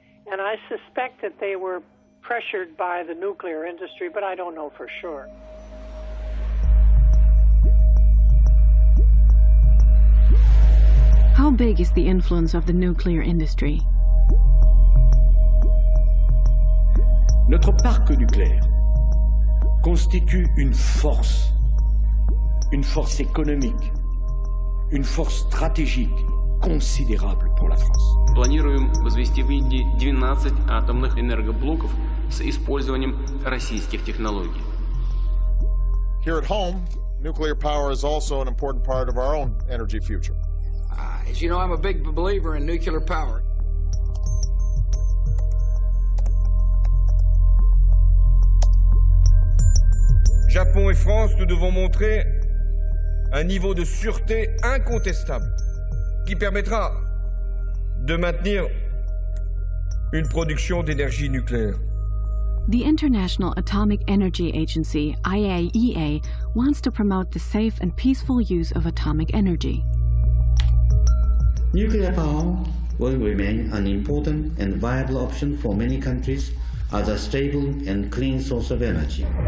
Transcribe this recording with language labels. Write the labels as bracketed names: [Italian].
[English] And I suspect that they were pressured by the nuclear industry, but I don't know for sure. How big is the influence of the nuclear industry? [French] Notre parc nucléaire constitue une force économique, une force stratégique. [English] Considerable for the France. [Russian] Планируем возвести в Индии 12 атомных энергоблоков с использованием российских технологий. [English] Here at home, nuclear power is also an important part of our own energy future. As you know, I'm a big believer in nuclear power. [French] Japon et France, nous devons montrer un niveau de sûreté incontestable. Qui permettra de maintenir une production d'énergie nucléaire [English] The International Atomic Energy Agency, IAEA, wants to promote the safe and peaceful use of atomic energy. Nuclear power will remain an important and viable option for many countries as a stable and clean source of energy.